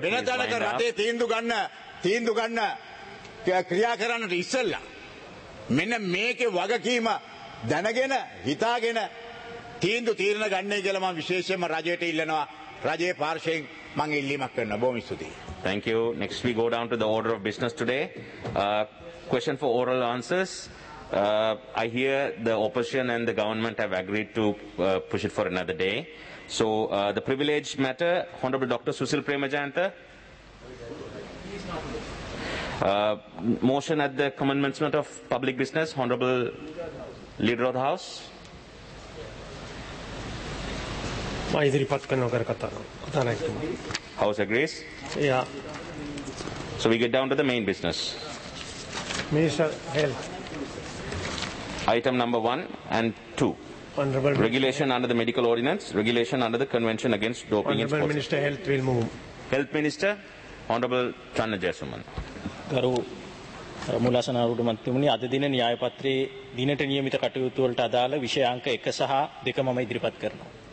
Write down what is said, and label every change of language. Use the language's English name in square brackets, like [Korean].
[Sinhala] වෙන තැනක රටේ තීන්දුව ගන්න ක්‍රියා කරන්නට ඉස්සෙල්ලා මෙන්න මේකේ වගකීම දැනගෙන හිතාගෙන තීන්දු තීරණ ගන්නයි කියලා මම විශේෂයෙන්ම රජයට ඉල්ලනවා රජයේ පාර්ශවයෙන් මම ඉල්ලීමක් කරනවා බොහොම ස්තුතියි [English] thank you next we go down to the order of business today question for oral answers I hear the opposition and the government have agreed to push it for another day so the privilege matter honorable dr susil premajanta motion at the commencement of public business honorable leader of the house [Sinhala] මම ඉදිරිපත් කරන කර කතා නැහැ [English] house agrees yeah so we get down to the main business minister health item number 1 and 2 honorable regulation minister. Under the medical ordinance regulation under the convention against doping honorable in sports minister health will move health minister honorable channa jayasuman [Sinhala] garu මුලසන අරුඩු මන්ත්‍රීතුමනි අද දින න්‍යාය පත්‍රයේ දිනට නියමිත කටයුතු වලට අදාළ විෂයාංක 1 සහ 2 මම ඉදිරිපත් කරනවා